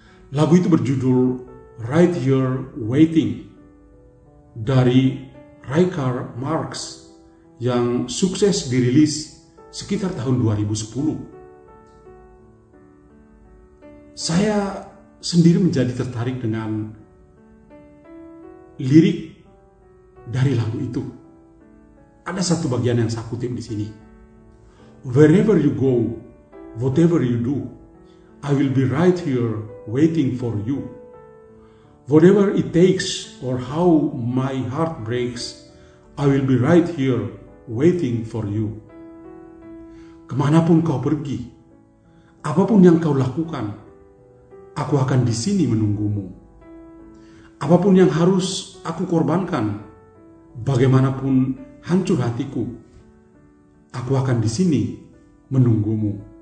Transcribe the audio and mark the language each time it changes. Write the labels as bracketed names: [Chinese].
[Indonesian] Lagu itu berjudul Right Here Waiting dari Richard Marx yang sukses dirilis sekitar tahun 2010. Saya sendiri menjadi tertarik dengan lirik dari lagu itu. Ada satu bagian yang saya kutip di sini. [English] Wherever you go, whatever you do, I will be right here waiting for you. Whatever it takes or how my heart breaks, I will be right here waiting for you. [Indonesian] Kemanapun kau pergi, apapun yang kau lakukan, aku akan di sini menunggumu. Apapun yang harus aku korbankan, bagaimanapun hancur hatiku, aku akan di sini menunggumu.